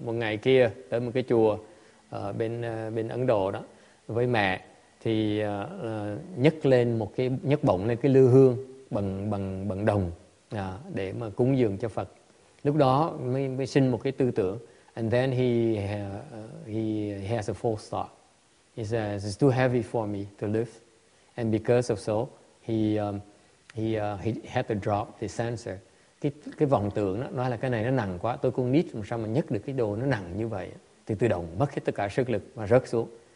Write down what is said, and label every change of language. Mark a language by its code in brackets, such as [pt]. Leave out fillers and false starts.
[vi] Một ngày kia tới một cái chùa bên Ấn Độ đó. Với mẹ thì nhấc bổng lên cái lư hương bằng đồng để mà cúng dường cho Phật. Lúc đó mới sinh một cái tư tưởng. [en] And then he has a false thought. He says it's too heavy for me to lift. And because of so, he had to drop the censer. [vi] Cái vọng tưởng đó nói là cái này nó nặng quá, tôi con nít sao mà nhấc được cái đồ nó nặng như vậy. Thì tự động mất hết tất cả sức lực và rớt xuống.